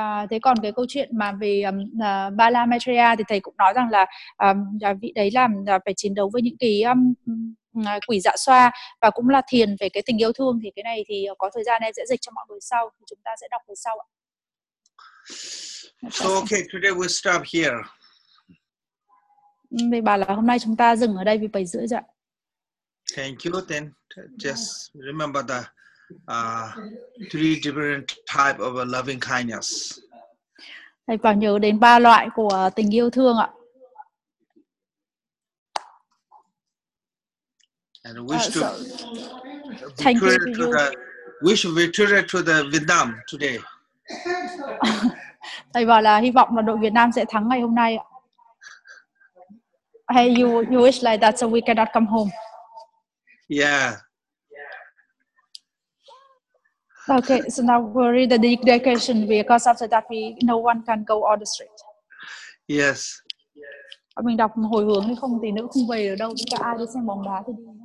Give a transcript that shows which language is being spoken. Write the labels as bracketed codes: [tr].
[vi] Thế còn cái câu chuyện mà về Bala Maitreya thì thầy cũng nói rằng là vị đấy là phải chiến đấu với những cái quỷ dạ xoa, và cũng là thiền về cái tình yêu thương. Thì cái này thì có thời gian em sẽ dịch cho mọi người sau, chúng ta sẽ đọc về sau ạ. [en] So okay, today we'll stop here. [vi] Thầy bảo là hôm nay chúng ta dừng ở đây vì 7 rưỡi rồi ạ. [en] Thank you, then just remember that three different type of loving kindness. [vi] Thầy bảo nhớ đến ba loại của tình yêu thương ạ. [en] And wish to wish victory to the Vietnam today. [vi] Thầy bảo là hy vọng là đội Việt Nam sẽ thắng ngày hôm nay ạ. [en] Hey, you wish like that so we cannot come home. Yeah. Okay, so now we read the declaration because after that we no one can go on the street. Yes. [vi] Mình đọc hồi hướng hay không thì nữ không về ở đâu, chúng ta ai đi xem bóng đá thì đi.